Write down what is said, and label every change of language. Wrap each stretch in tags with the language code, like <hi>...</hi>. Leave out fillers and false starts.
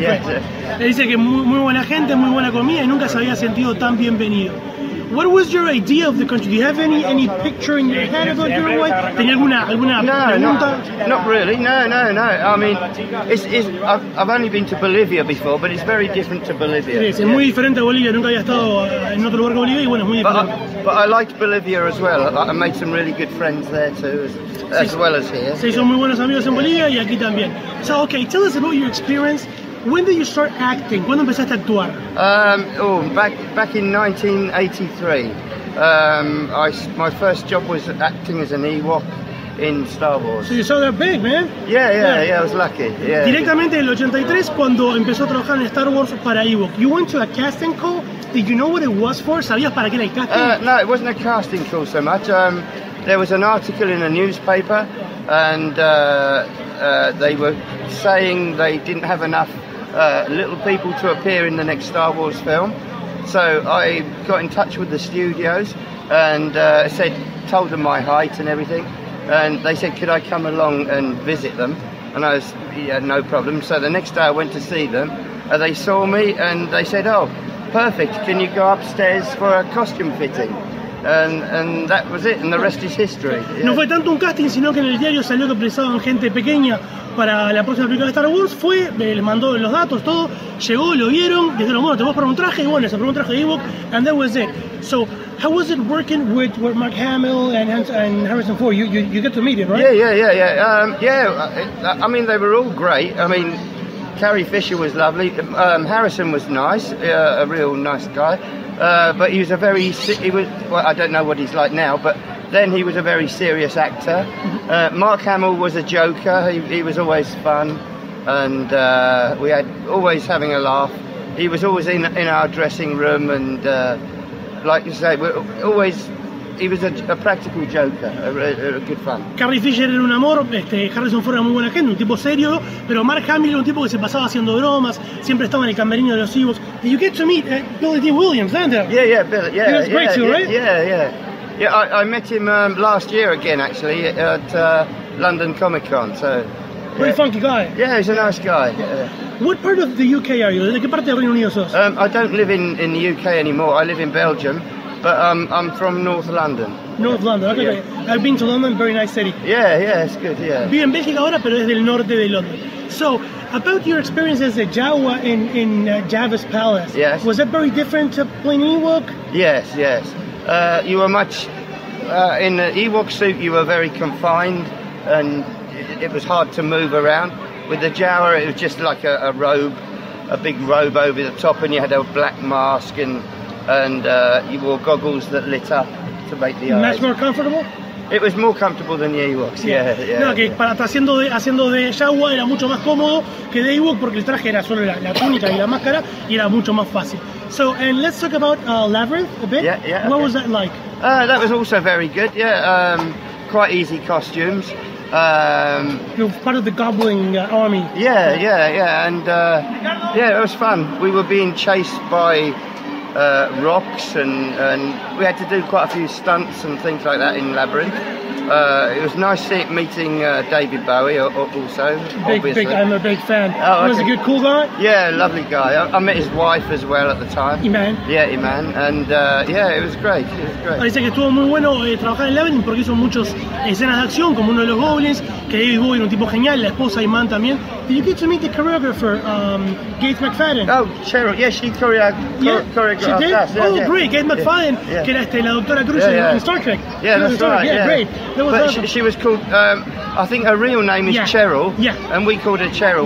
<es>Dice que muy buena gente, muy buena comida y nunca se había sentido tan bienvenido.</es> <en>What was your idea of the country? Do you have any picture in your head about Uruguay?</en> <es>¿Tenía alguna pregunta?</es> <en>No, not really. I mean, I've only been to Bolivia before, but it's very different to Bolivia.</en> <es>Sí, es muy diferente a Bolivia. Nunca había estado en otro lugar que Bolivia y bueno, es muy diferente.</es> <en>But I liked Bolivia as well. I made some really good friends there too, as sí, well as here.</en> <es>Sí, son muy buenos amigos en Bolivia y aquí también.</es> <en>So, okay, tell us about your experience. When did you start acting?</en> <es>¿Cuándo empezaste a actuar?</es> <en>Back in 1983. My first job was acting as an Ewok in Star Wars. So you saw that big, man? Yeah, I was lucky. Yeah.</en> <es>Directamente en el 83 cuando empezó a trabajar en Star Wars para Ewok.</es> <en>You went to a casting call? Did you know what it was for?</en> <es>¿Sabías para qué era el casting?</es> <en>No, it wasn't a casting call so much. There was an article in a newspaper and they were saying they didn't have enough little people to appear in the next Star Wars film. So I got in touch with the studios and told them my height and everything. And they said, could I come along and visit them? And I was, yeah, no problem. So the next day I went to see them. They saw me and they said, oh, perfect. Can you go upstairs for a costume fitting? And that was it, and the rest is history. Yeah.</en> <es>No fue tanto un casting, sino que en el diario salió que precisaban gente pequeña para la próxima película de Star Wars. Fue, les mandó los datos, todo, llegó, lo vieron, dijeron, bueno, te vas para un traje, y bueno, se probó un traje de Ewok,</es> <en>and that was it. So, how was it working with Mark Hamill and Harrison Ford? You get to meet him, right? Yeah. I mean, they were all great. I mean, Carrie Fisher was lovely. Harrison was nice, a real nice guy. But he was a very, I don't know what he's like now, but then he was a very serious actor. Mark Hamill was a joker, he was always fun, and we had always having a laugh. He was always in our dressing room, and like you say, he was a practical joker, a good fun.</en> <es>Carrie Fisher era un amor, Harrison Ford era muy buena gente, un tipo serio, pero Mark Hamill era un tipo que se pasaba haciendo bromas, siempre estaba en el camerino de los Ewoks.</es> <en>You get to meet Billy Dee Williams, don't you? Yeah, Billy. Yeah, he was great too, right? Yeah. I met him last year again, actually, at London Comic Con. So, very funky guy. Yeah, he's a nice guy. What part of the UK are you?</en> <es>¿Qué parte del Reino Unido sos?</es> <en>I don't live in the UK anymore. I live in Belgium, but I'm from North London. North London, okay. Yeah. I've been to London, very nice city. Yeah, it's good, yeah.</en> <es>Vivo en Bélgica ahora, pero es del norte de Londres.</es> <en>So, about your experience as a Jawa in Jabba's Palace, yes. Was that very different to playing Ewok? Yes. You were much, in the Ewok suit, you were very confined, and it was hard to move around. With the Jawa, it was just like a robe, a big robe over the top, and you had a black mask, and you wore goggles that lit up to make the eyes. Much more comfortable? It was more comfortable than the Ewoks, yeah.</en> <es>No, que</es> <en>yeah.</en> <es>Para haciendo de Jawa era mucho más cómodo que de Ewok, porque el traje era solo la túnica y la máscara, y era mucho más fácil.</es> <en>So, and let's talk about Labyrinth a bit. Yeah, what was that like? That was also very good, yeah. Quite easy costumes. You're part of the goblin army. Yeah. And it was fun. We were being chased by rocks and we had to do quite a few stunts and things like that in Labyrinth. It was nice meeting David Bowie also. Big, I'm a big fan. Oh, okay. He was a good, cool guy. Yeah, lovely guy. I met his wife as well at the time. Iman. Yeah, Iman. And it was great.</en> <es>Dice que estuvo muy bueno trabajar en Labyrinth porque hizo muchas escenas de acción, como uno de los goblins, que David Bowie era un tipo genial, la esposa Iman también.</es> <en>Did you get to meet the choreographer, Gaith McFadden? Oh, Cheryl. Yeah, she choreographed she did? Us. Yeah, oh, yeah. Great. Gaith McFadden, yeah.</en> <es>Que era la doctora Cruz</es> <en>in Star Trek. Yeah, that's Star Trek. Right. Yeah, great. But she was called, I think her real name is Cheryl. Yeah. And we called her Cheryl.</en>